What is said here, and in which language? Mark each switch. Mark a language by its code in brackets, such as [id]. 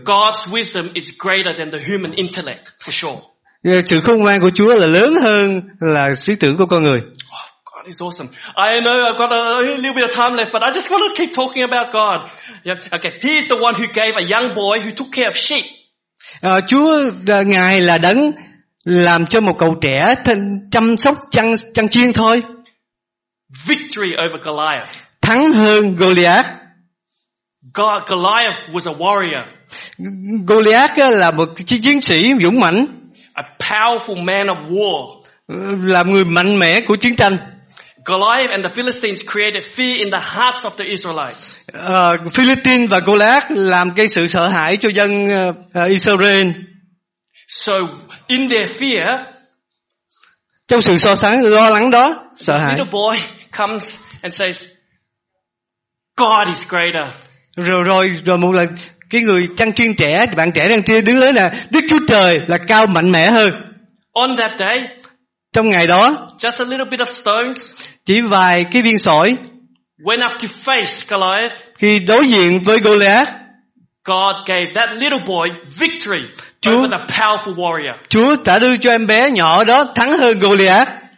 [en] God's wisdom is greater than the human intellect, for sure. [vi] Sự khôn ngoan của Chúa là lớn hơn là trí tưởng của con người. [en] It's awesome. I know I've got a little bit of time left, but I just want to keep talking about God. Yeah. Okay. He is the one who gave a young boy who took care of sheep. [vi] Chúa ngài là đấng làm cho một cậu trẻ chăm sóc chăn chiên thôi. [en] Victory over Goliath. [vi] Thắng hơn Goliath. [en] Goliath was a warrior. [vi] Goliath là một chiến sĩ dũng mãnh. [en] A powerful man of war. [vi] Là người mạnh mẽ của chiến tranh. [en] Goliath and the Philistines created fear in the hearts of the Israelites. [vi] Philistine và Goliath làm gây sự sợ hãi cho dân Israel. [en] So in their fear, [vi] trong sự so sánh lo lắng đó, sợ hãi. [en] Little boy comes and says, "God is greater." [vi] Rồi một lần cái người chăn chiên trẻ, bạn trẻ đang kia đứng lên là Đức Chúa Trời là cao mạnh mẽ hơn. [en] On that day, [vi] trong ngày đó, [en] just a little bit of stones. [vi] Chỉ vài cái viên sỏi. [en] Went up to face Goliath. [vi] Khi đối diện với Goliath. [en] God gave that little boy victory over the powerful warrior. [vi] Chúa đã đưa cho em bé nhỏ đó thắng hơn Goliath.